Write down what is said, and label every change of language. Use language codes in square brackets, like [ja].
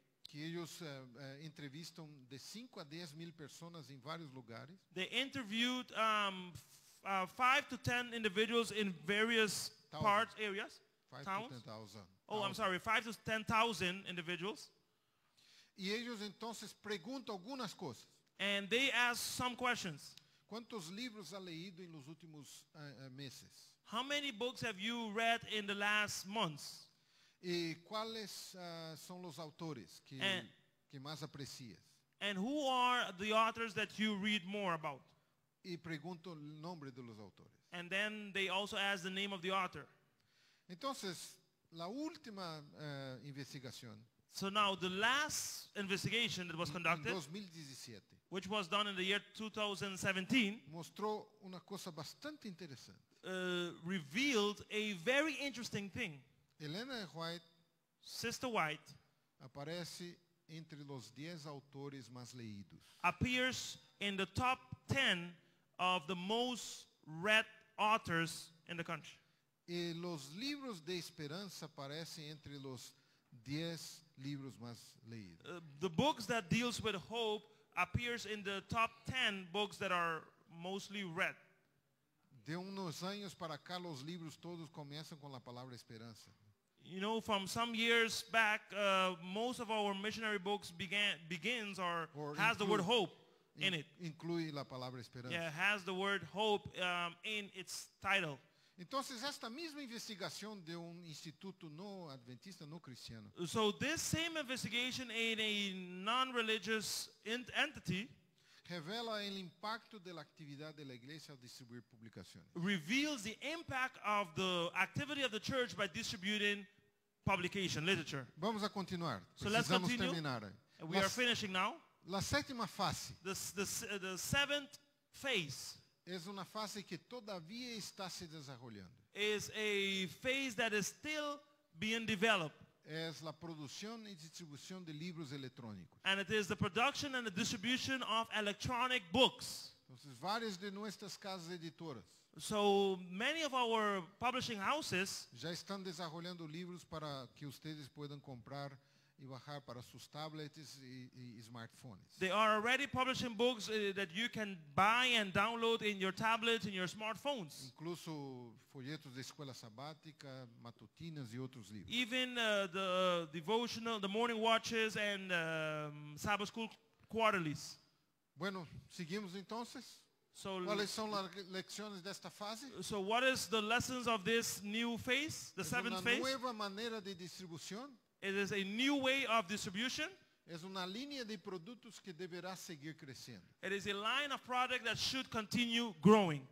[pt] que eles entrevistam de 5 a 10 mil pessoas em vários lugares. [en] They interviewed 5 to 10 individuals in various parts areas. Five to 10,000 individuals. [pt] E eles entonces perguntam algumas coisas. [en] And they ask some questions. [es] Quantos livros ha leído em los últimos meses? [en] How many books have you read in the last months? [pt] E quais são os autores que mais aprecias? [en] And who are the authors that you read more about? [pt] E pergunto o nome dos autores. [en] And then they also ask the name of the author. [pt] Então, a última investigação. [en] So now the last investigation that was conducted, [pt] 2017, [en] which was done in the year 2017, [pt] mostrou uma coisa bastante interessante. [en] Revealed a very interesting thing. [pt] Helena White, [en] Sister White, [pt] aparece entre os 10 autores mais leídos. [en] Appears in the top 10 of the most read authors in the country. [pt] E os livros de esperança aparecem entre os 10 livros mais leídos. [en] The books that deals with hope appears in the top 10 books that are mostly read. [pt] De uns anos para cá, os livros todos começam com a palavra esperança. [en] You know, from some years back, most of our missionary books begins or has include, the word hope in it. [pt] Inclui a palavra esperança. [en] Yeah, has the word hope in its title. [pt] Então, esta mesma investigação de instituto não adventista, não cristiano. [en] So this same investigation in a non-religious entity [pt] revela o impacto da atividade da igreja ao distribuir publicações. [en] Reveals the impact of the activity of the church by distributing publication literature. [es] Vamos a continuar. [en] So let's continue. [pt] Terminar. [en] We are finishing now. [es] La sétima fase. [en] The seventh phase. [pt] É uma fase que todavia está se desenvolvendo. [en] Is a phase that is still being developed. [pt] É a produção e distribuição de livros eletrônicos. [en] And it is the production and the distribution of electronic books. [pt] Então, várias de nossas casas editoras. [en] So many of our publishing houses [pt] já estão desenvolvendo livros para que vocês possam comprar e baixar para seus tablets e smartphones. [en] They are already publishing books that you can buy and download in your tablets, in your smartphones. [pt] Incluso folhetos de escola sabática, matutinas e outros livros. [en] Even the devotional, the morning watches and Sabbath school quarterlies. [es] Bueno, seguimos entonces. [en] So, [pt] quais são as lecciones desta fase? [en] So what is the lessons of this new phase, the seventh phase? [pt] Nova maneira de distribuição. [en] It is a new way of distribution. [es] Es una línea de productos que deberá seguir creciendo. [en] It is a line of product that should continue growing.